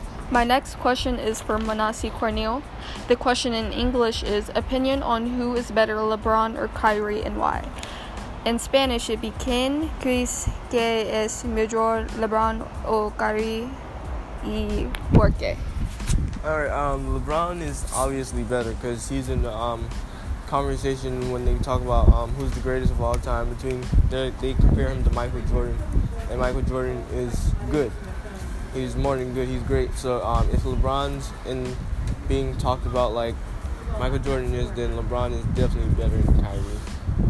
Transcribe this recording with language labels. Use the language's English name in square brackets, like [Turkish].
[English] My next question is for Manasi Cornell. The question in English is, opinion on who is better, LeBron or Kyrie, and why? [Spanish] In Spanish, it'd be, ¿Quién crees que es mejor, LeBron o Kyrie, y por qué? [English] All right, LeBron is obviously better because he's in the conversation when they talk about who's the greatest of all time. They compare him to Michael Jordan, and Michael Jordan is good. He's more than good. He's great. So if LeBron's in being talked about like Michael Jordan is, then LeBron is definitely better than Kyrie.